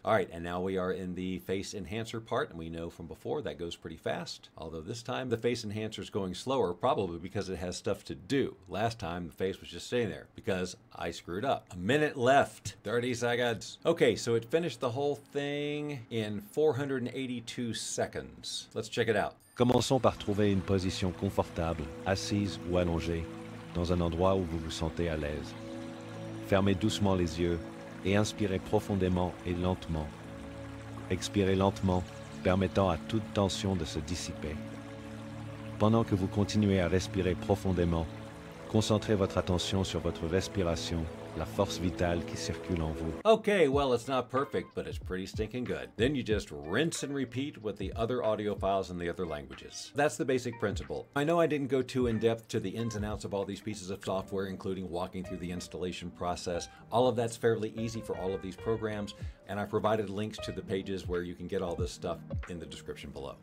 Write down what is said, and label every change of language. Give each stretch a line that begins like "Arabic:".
English: All right, and now we are in the face enhancer part, and we know from before that goes pretty fast. Although this time the face enhancer is going slower, probably because it has stuff to do. Last time the face was just sitting there because I screwed up. A minute left, 30 seconds. Okay, so it finished the whole thing in 482 seconds. Let's check it out.
French: Commençons par trouver une position confortable, assise ou allongée. Dans un endroit où vous vous sentez à l'aise. Fermez doucement les yeux et inspirez profondément et lentement. Expirez lentement, permettant à toute tension de se dissiper. Pendant que vous continuez à respirer profondément, concentrez votre attention sur votre respiration, la force vitale qui circule en vous.
English: Okay, well, it's not perfect, but it's pretty stinking good. Then you just rinse and repeat with the other audio files in the other languages. That's the basic principle. I know I didn't go too in-depth to the ins and outs of all these pieces of software, including walking through the installation process. All of that's fairly easy for all of these programs, and I've provided links to the pages where you can get all this stuff in the description below.